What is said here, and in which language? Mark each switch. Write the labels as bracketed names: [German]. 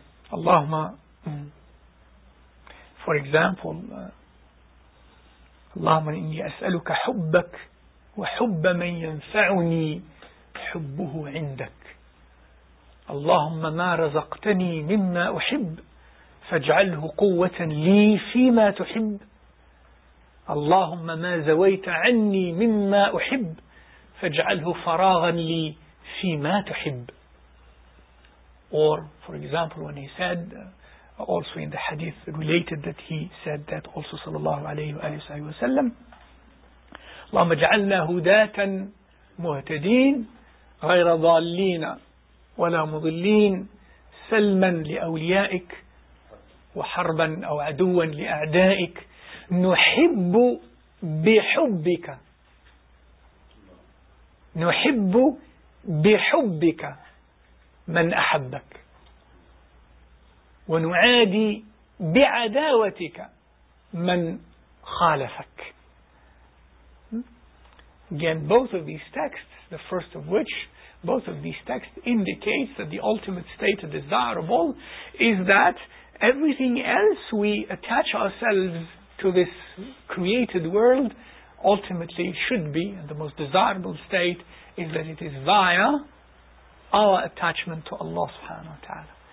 [Arabic] Allahumma, [English] for example, [Arabic] Allahumma inni as'aluka hubbak wa hubba man yanfa'uni hubbuhu indak. اللهم ما رزقتني مما أحب فاجعله قوة لي فيما تحب اللهم ما زويت عني مما أحب فاجعله فراغا لي فيما تحب. [English] Or for example, when he said also in the hadith related that he said that also [Arabic] صلى الله عليه وآله وسلم, اللهم اجعلنا هداة مهتدين غير ضالين ولا مضلين سلما لأوليائك وحربا أو عدوا لأعدائك نحب بحبك نحب بحبك من أحبك ونعادي بعداوتك من خالفك. [English] Again, both of these texts, the first of which, both of these texts indicates that the ultimate state of desirable is that everything else we attach ourselves to this created world ultimately should be, and the most desirable state is that it is via our attachment to Allah subhanahu wa ta'ala.